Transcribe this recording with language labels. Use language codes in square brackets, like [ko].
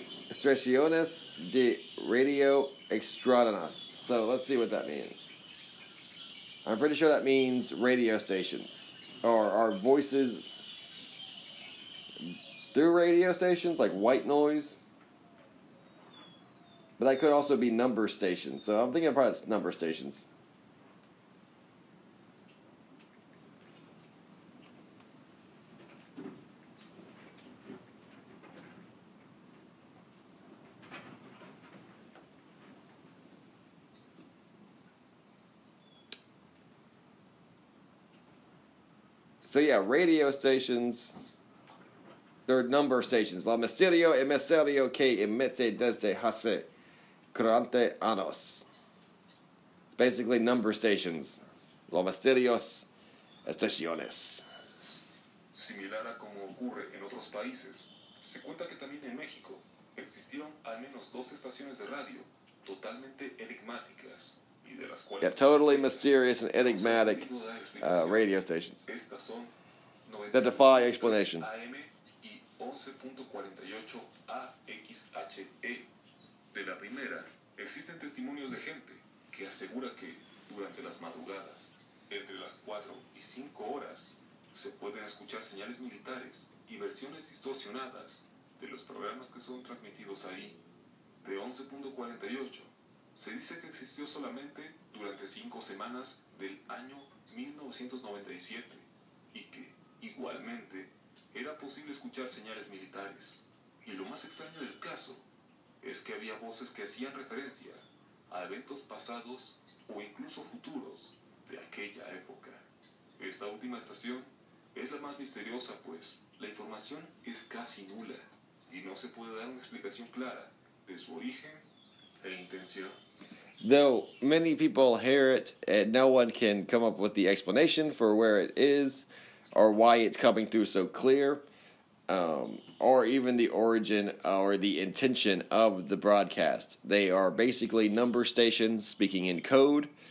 [es] Estaciones de radio extranjeras. [en] So let's see what that means. I'm pretty sure that means radio stations. Or our voices... through radio stations, like white noise. But that could also be number stations. So I'm thinking probably it's number stations. So yeah, radio stations... there are number stations. [es] La misterio, el misterio que emite desde hace 40 años. [en] It's basically number stations. [es] Los misterios, estaciones. Similar a como ocurre en otros países, se cuenta que también en México existieron al menos dos estaciones de radio totalmente enigmáticas. Y de las cuales [en] yeah, totally mysterious and enigmatic radio stations. [es] Estas son [en] 90 that defy explanation. [es] AM 11.48 AXHE. De la primera, existen testimonios de gente que asegura que durante las madrugadas, entre las 4 y 5 horas, se pueden escuchar señales militares y versiones distorsionadas de los programas que son transmitidos ahí. De 11.48, se dice que existió solamente durante 5 semanas del año 1997 y que, igualmente, era posible escuchar señales militares. Y lo más extraño del caso es que había voces que hacían referencia a eventos pasados o incluso futuros de aquella época. Esta última estación es la más misteriosa, pues la información es casi nula y no se puede dar una explicación clara de su origen e intención. [en] Though many people hear it, and no one can come up with the explanation for where it is, or why it's coming through so clear, or even the origin or the intention of the broadcast. They are basically number stations speaking in code.